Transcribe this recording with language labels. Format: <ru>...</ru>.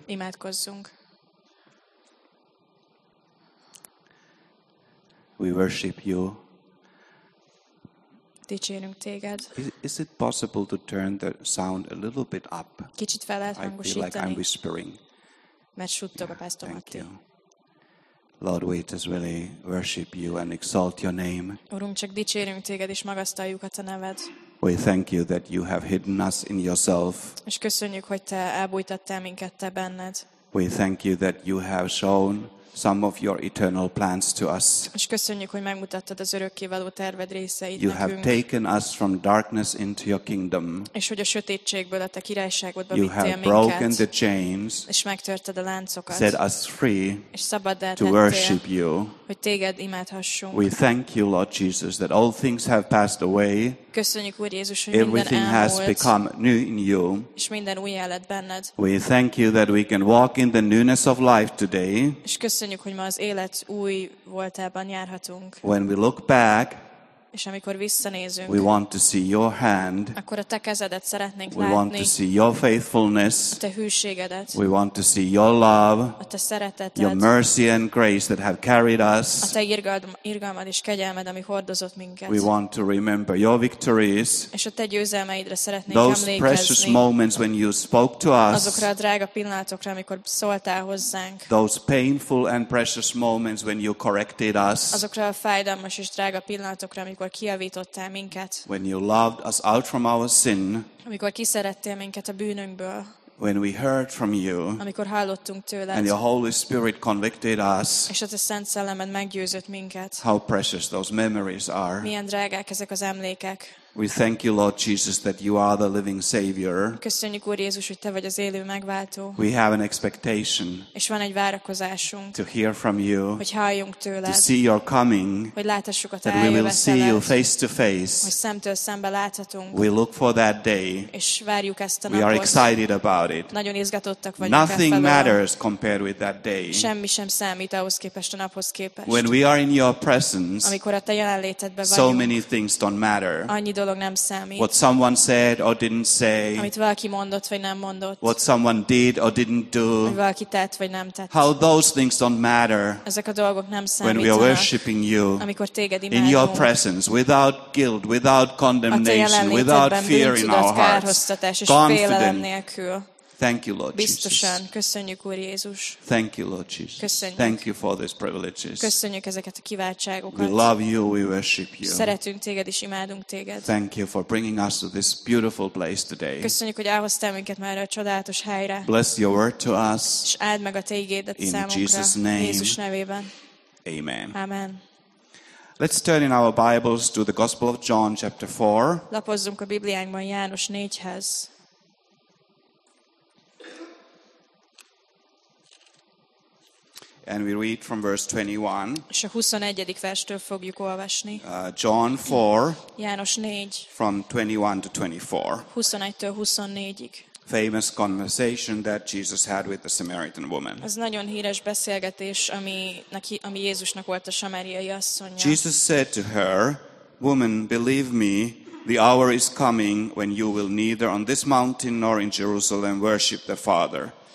<hu>Imádkozzunk.</hu> <en>We worship you.</en> <hu>Dicsérünk téged.</hu> <en>Is it possible to turn the sound a little bit up?</en> <hu>Kicsit fel lehet hangosítani.</hu> <en>I feel like I'm whispering.</en> <hu>Mert suttog a Pastor Matti.</hu> <en>Thank you. Lord, we just really worship you and exalt your name.</en> <hu>Urunk, csak dicsérünk téged és magasztaljuk a te neved.</hu> <en>We thank you that you have hidden us in yourself.</en> <hu>És köszönjük, hogy te elbújtattál minket te benned.</hu> <en>We thank you that you have shown some of your eternal plans to us.</en> <hu>És köszönjük, hogy megmutattad az örökkévaló terved részeit nekünk.</hu> <en>You have taken us from darkness into your kingdom.</en> <hu>És hogy a sötétségből a te királyságodba vittél minket.</hu> <en>You have broken the chains.</en> <hu>És megtörted a láncokat.</hu> <en>Set us free.</en> <hu>És szabaddá tettél.</hu> <en>To worship you.</en> <hu>Hogy téged imádhassunk.</hu> <en>We thank you, Lord Jesus, that all things have passed away.</en> <hu>Köszönjük, Úr Jézus, hogy</hu> <en>everything</en> <hu>minden elmúlt,</hu> <en>has become new in you.</en> <hu>És minden újjá lett benned.</hu> <en>We thank you that we can walk in the newness of life today.</en> <hu>És köszönjük, hogy ma az élet új voltában járhatunk.</hu> <en>When we look back,</en> <hu>és amikor visszanézünk,</hu> <en>we want to see your hand.</en> <hu>Akkor a te kezedet szeretnénk</hu> <en>we</en> <hu>látni.</hu> <en>We want to see your faithfulness.</en> <hu>A te hűségedet.</hu> <en>We want to see your love.</en> <hu>A te szereteted.</hu> <en>Your mercy and grace that have carried us.</en> <hu>A te irgalmad és kegyelmed, ami hordozott minket.</hu> <en>We want to remember your victories.</en> <hu>És a te győzelmeidre szeretnénk</hu> <en>those</en> <hu>emlékezni.</hu> <en>Those precious moments when you spoke to us.</en> <hu>Azokra a drága pillanatokra, amikor szóltál hozzánk.</hu> <en>Those painful and precious moments when you corrected us.</en> <hu>Azokra a fájdalmas és drága pillanatokra, amikor kiavítottál minket.</hu> <en>When you loved us out from our sin.</en> <hu>Amikor kiszerettél minket a bűnünkből.</hu> <en>When we heard from you,</en> <hu>amikor hallottunk tőled,</hu> <en>and your Holy Spirit convicted us,</en> <hu>és a te Szent Szellemed meggyőzött minket,</hu> <en>how precious those memories are.</en> <hu>Milyen drágák ezek az emlékek.</hu> <en>We thank you, Lord Jesus, that you are the living Savior.</en> <hu>Köszönjük, Úr Jézus, hogy te vagy az élő megváltó.</hu> <en>We have an expectation.</en> <hu>És van egy várakozásunk.</hu> <en>To hear from you.</en> <hu>Hogy halljunk tőled.</hu> <en>To see your coming.</en> <hu>Hogy láthassuk a te eljöveteled.</hu> <en>We will see you face to face.</en> <hu>Hogy szemtől szembe láthatunk.</hu> <en>We look for that day.</en> <hu>És várjuk ezt a napot.</hu> <en>We are excited about it.</en> <hu>Nagyon izgatottak vagyunk.</hu> <en>Nothing matters compared with that day.</en> <hu>Semmi sem számít ahhoz képest, a naphoz képest.</hu> <en>When we are in your presence,</en> <hu>amikor a te jelenlétedben vagyunk,</hu> <en>so many things don't matter.</en> <hu>Dolog nem számít.</hu> <en>What someone said or didn't say.</en> <hu>Amit valaki mondott vagy nem mondott.</hu> <en>What someone did or didn't do.</en> <hu>Amit valaki tett vagy nem tett.</hu> <en>How those things don't matter.</en> <hu>Ezek a dolgok nem számítanak.</hu> <en>When we are worshiping you.</en> <hu>Amikor téged imádunk.</hu> <en>In your presence, without guilt, without condemnation, without fear in our hearts. Confident.</en> <hu>Nélkül.</hu> <en>Thank you, Lord Jesus. Biztosan.</en> <hu>Köszönjük, Úr Jézus.</hu> <en>Thank you, Lord Jesus.</en> <hu>Köszönjük.</hu> <en>Thank you for these privileges.</en> <hu>Köszönjük ezeket a kiváltságokat.</hu> <en>We love you, we worship you.</en> <hu>Szeretünk téged és imádunk téged.</hu> <en>Thank you for bringing us to this beautiful place today.</en> <hu>Köszönjük, hogy elhoztál minket már a csodálatos helyre.</hu> <en>Bless your word to us.</en> <hu>És áld meg a te igédet</hu> <en>in</en> <hu>számunkra.</hu> <en>Jesus name.</en> <hu>Jézus nevében.</hu> <en>Amen.</en> <hu>Amen.</hu> <en>Let's turn in our Bibles to the Gospel of John chapter 4.</en> <hu>Lapozzunk a Bibliánkban János 4-hez.</hu> <en>And we read from verse 21.</en> <hu>És a 21. verstől fogjuk olvasni.</hu> <en>John 4.</en> <hu>János 4.</hu> <en>From 21 to 24.</en> <hu>21-től 24-ig.</hu> <en>Famous conversation that Jesus had with the Samaritan woman.</en> <hu>Ez nagyon híres beszélgetés, ami Jézusnak volt a samáriai asszonnyal.</hu> <en>Jesus said to her, "Woman, believe me, the hour is coming when you will neither on this mountain nor in Jerusalem worship the Father."</en>